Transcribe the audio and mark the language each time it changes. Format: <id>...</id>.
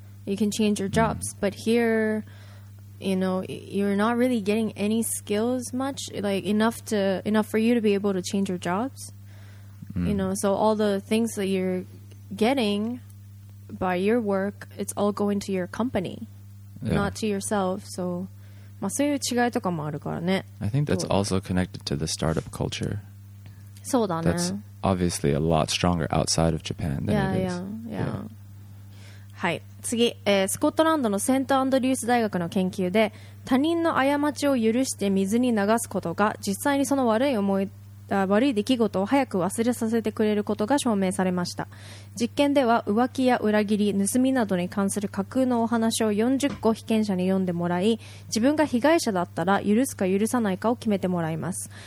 <en>You can change your jobs. Mm. But here, you know, you're not really getting any skills much, like enough for you to be able to change your jobs. Mm. You know, so all the things that you're getting by your work, it's all going to your company, yeah. not to yourself.</en> <ja>So, まあそういう違いとかもあるからね。</ja> <en>I think that's also connected to the startup culture.</en> <ja>そうだね。</ja> <en>That's obviously a lot stronger outside of Japan than yeah, it is. Yeah.</en> <ja>はい、次、スコットランドのセントアンドリュース大学の研究で、他人の過ちを許して水に流すことが実際にその悪い出来事を早く忘れさせてくれることが証明されました。実験では浮気や裏切り、盗みなどに関する架空のお話を40個被験者に読んでもらい、自分が被害者だったら許すか許さないかを決めてもらいます。</ja>